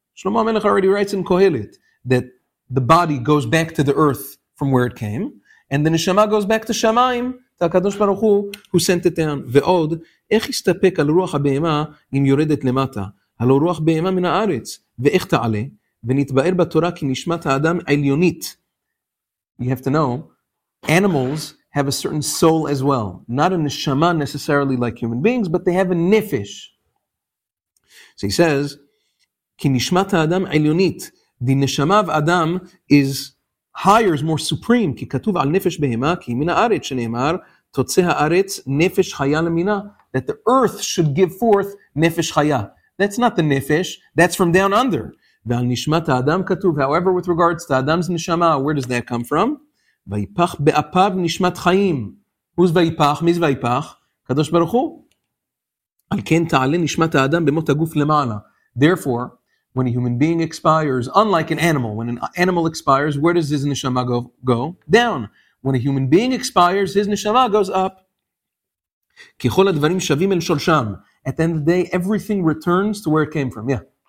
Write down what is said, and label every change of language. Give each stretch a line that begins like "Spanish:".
English: Shlomo HaMelech already writes in Kohelet that the body goes back to the earth from where it came, and the neshama goes back to Shamaim, to HaKadosh Baruch Hu, who sent it down.
Hebrew: Ve'od, איך יסתפק על רוח הבהמה אם יורדת למטה? הלא רוח בהמה מן הארץ, ואיך תעלה? ונתבאר בתורה כי נשמת האדם עליונית.
English: You have to know, animals have a certain soul as well. Not a neshama necessarily like human beings, but they have a nefesh. So he says,
Hebrew: כי נשמת האדם עליונית,
English: the neshama of Adam is higher, is more supreme,
Hebrew: כי כתוב על נפש בהמה, כי מן הארץ שנאמר, תוצא הארץ נפש חיה למינה,
English: that the earth should give forth
Hebrew: נפש חיה.
English: That's not the nefesh, that's from down under.
Hebrew: ועל נשמת האדם כתוב,
English: however, with regards to Adam's neshama, where does that come from?
Hebrew: ויפח באפיו נשמת חיים.
English: Who's
Hebrew: ויפח? מי זה ויפח? קדוש ברוך הוא. על כן תעלה נשמת האדם במות הגוף למעלה.
English: Therefore, when a human being expires, unlike an animal, when an animal expires, where does his neshama go? Down. When a human being expires, his neshama goes up.
Hebrew: ככל הדברים שווים אל שורשם.
English: At the end of the day, everything returns to where it came from. Yeah.